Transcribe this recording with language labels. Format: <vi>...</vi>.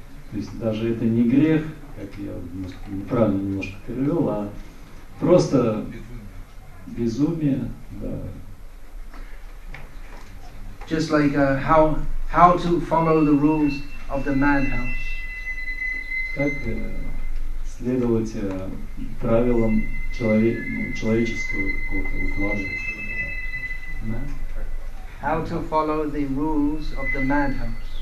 <ru>То есть даже это не грех, как я неправильно немножко перевел, а просто безумие, да.</ru> <en>Just like how to follow the rules of the madhouse.</en> <ru>Как следовать правилам человеческого какого-то уклада.</ru> <en>How to follow the rules of the madhouse.</en>